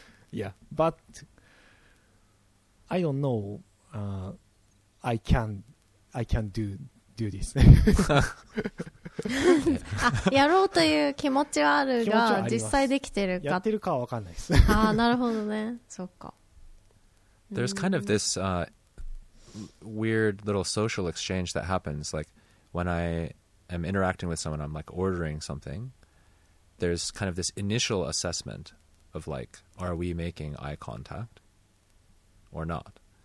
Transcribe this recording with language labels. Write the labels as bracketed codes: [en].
[en] yeah but I don't knowI can do this. [ja] やろうという気持ちはあるが、実際できてるか。やってるかは分かんないです。あ、なるほどね。そっか。 [en] There's kind of this weird little social exchange that happens. Like when I am interacting with someone, I'm like ordering something. There's kind of this initial assessment of like, are we making eye contact or not?